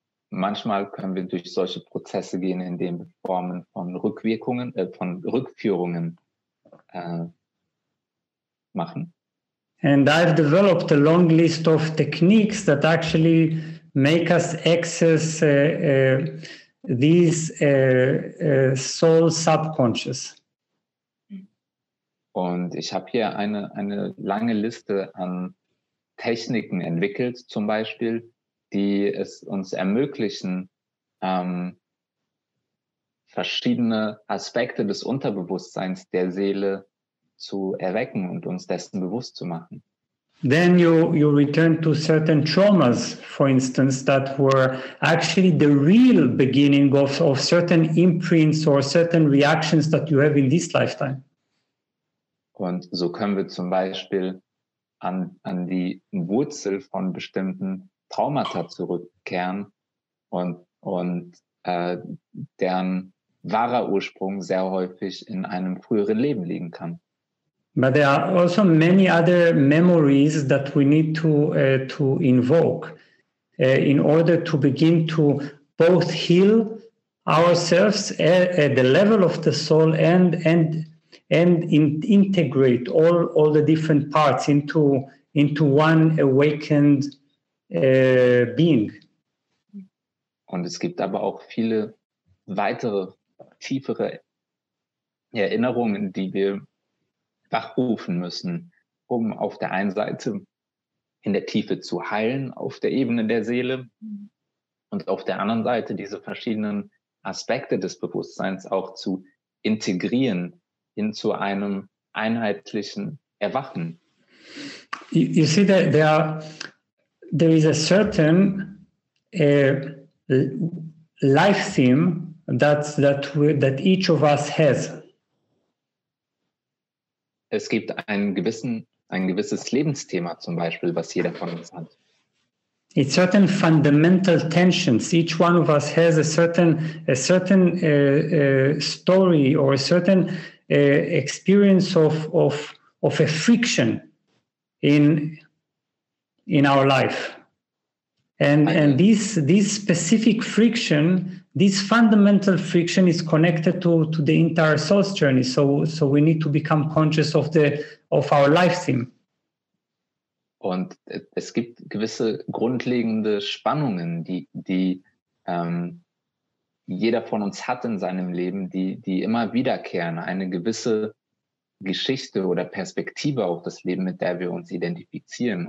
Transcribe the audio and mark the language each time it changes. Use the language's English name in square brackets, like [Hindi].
[German] Manchmal können wir durch solche Prozesse gehen, in den Formen von Rückführungen machen. [English] And I've developed a long list of techniques that actually make us access these soul subconscious. [German] Und ich habe hier eine lange Liste an Techniken entwickelt, zum Beispiel, die es uns ermöglichen, verschiedene Aspekte des Unterbewusstseins der Seele zu erwecken und uns dessen bewusst zu machen. [English] Then you return to certain traumas, for instance, that were actually the real beginning of certain imprints or certain reactions that you have in this lifetime. [German] Und so können wir zum Beispiel an die Wurzel von bestimmten Traumata zurückkehren und deren wahrer Ursprung sehr häufig in einem früheren Leben liegen kann. [English] But there are also many other memories that we need to invoke in order to begin to both heal ourselves at the level of the soul and integrate all the different parts into one awakened being. [German] Und es gibt aber auch viele weitere tiefere Erinnerungen, die wir wachrufen müssen, um auf der einen Seite in der Tiefe zu heilen, auf der Ebene der Seele, und auf der anderen Seite diese verschiedenen Aspekte des Bewusstseins auch zu integrieren hin zu einem einheitlichen Erwachen. [English] You see, there is a certain life theme that each of us has. [German] Es gibt ein gewisses Lebensthema zum Beispiel, was jeder von uns hat. [English] It's certain fundamental tensions. Each one of us has a certain story or a certain experience of a friction in our life. And this specific friction, this fundamental friction is connected to the entire soul's journey. So we need to become conscious of our life theme. [German] Und es gibt gewisse grundlegende Spannungen, die jeder von uns hat in seinem Leben, die immer wiederkehren, eine gewisse Geschichte oder Perspektive auf das Leben, mit der wir uns identifizieren.